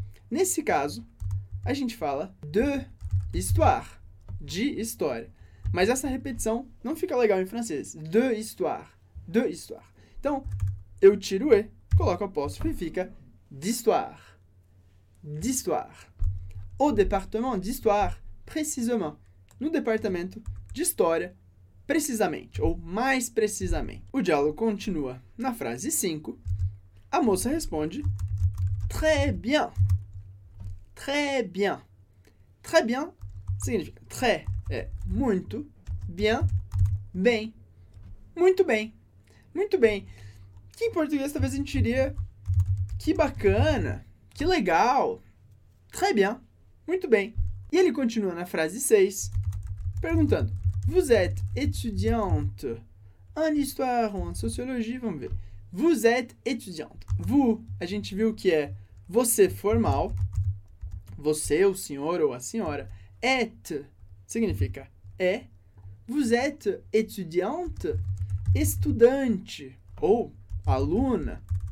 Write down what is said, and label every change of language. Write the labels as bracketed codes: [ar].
[pt] Nesse caso, a gente fala de histoire, de história. Mas essa repetição não fica legal em francês. De histoire. Então, eu tiro o E, coloco o apóstrofo e fica d'histoire, d'histoire. [fr] Au département d'histoire, précisément. [pt] No departamento de história, precisamente, ou mais precisamente. O diálogo continua na frase 5. A moça responde, [fr] très bien. Très bien. [pt] Très bien significa, très é muito, bien, bem. Muito bem. Muito bem. Que em português talvez a gente diria, que bacana, que legal. [fr] Très bien. [pt] Muito bem. E ele continua na frase 6. Perguntando, [fr] vous êtes étudiante en histoire ou en sociologie, [pt] vamos ver. [fr] Vous êtes étudiante. [pt] Vous, a gente viu que é você formal, você, o senhor ou a senhora. Être, significa é. [fr] Vous êtes étudiante, [pt] estudante ou aluna.